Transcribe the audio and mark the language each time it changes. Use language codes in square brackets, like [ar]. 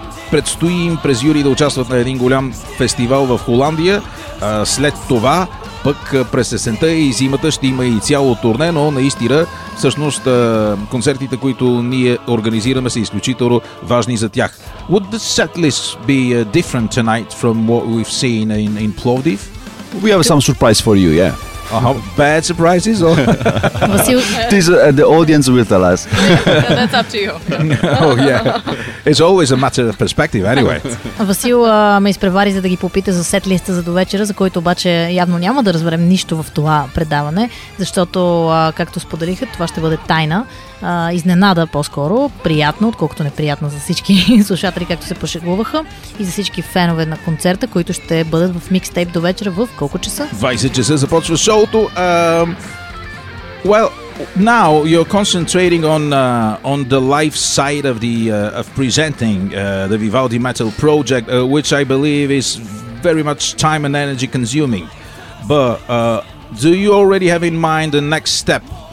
[bg] Предстои им през юли да участват на един голям фестивал в Холандия. След това, пък през есента и зимата ще има и цяло турне, но наистина всъщност концертите, които ние организираме, са изключително важни за тях. [en] Would the set list be different tonight from what we've seen in Plovdiv? We have some surprise for you, yeah. Uh-huh. Bad surprises? This, the audience will tell us. That's up to you. Oh, yeah. It's always a matter of perspective, anyway. [bg] Васил ме изпревари, за да ги попита за сет листа за до вечера, за който обаче явно няма да разберем нищо в това предаване, защото, както споделиха, това ще бъде тайна. Изненада по-скоро, приятно, отколкото неприятно за всички слушатели, както се пошегуваха, и за всички фенове на концерта, които ще бъдат в микстейп до вечера в колко часа? 20 часа започва шоуто. [en] Well, now you're concentrating on the live side of the of presenting the Vivaldi Metal Project, which I believe is very much time and energy consuming. But do you already have in mind the next step?